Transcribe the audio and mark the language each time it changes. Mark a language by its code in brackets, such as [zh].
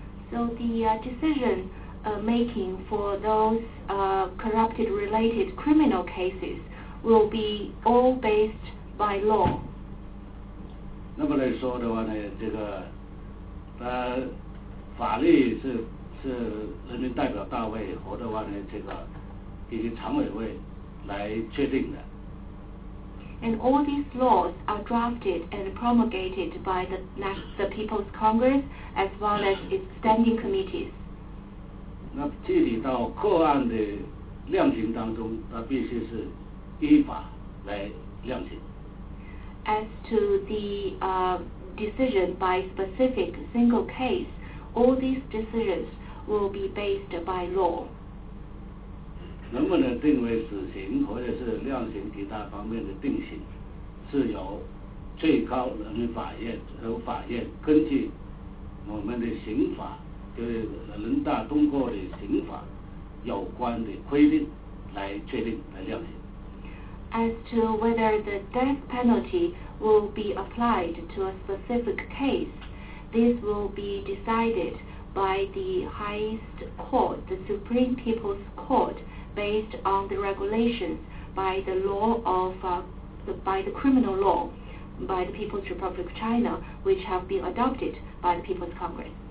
[en] So the decision making for those corrupted related criminal cases will be all based by law. [zh] 那么来说的话呢，这个法律是人民代表大会和的话呢，这个以及常委会来确定的。 [en] And all these laws are drafted and promulgated by the People's Congress as well as its standing committees. [zh] 那具体到个案的量刑当中，它必须是依法来量刑。 [en] As to the decision by specific single case, all these decisions will be based by law. [zh] 能不能定为死刑或者是量刑其他方面的定刑，是由最高人民法院和法院根据我们的刑法，就是人大通过的刑法有关的规定来确定来量刑。 [en] As to whether the death penalty will be applied to a specific case, this will be decided by the highest court, the Supreme People's Court, based on the regulations by the law of, by the criminal law, by the People's Republic of China, which have been adopted by the People's Congress.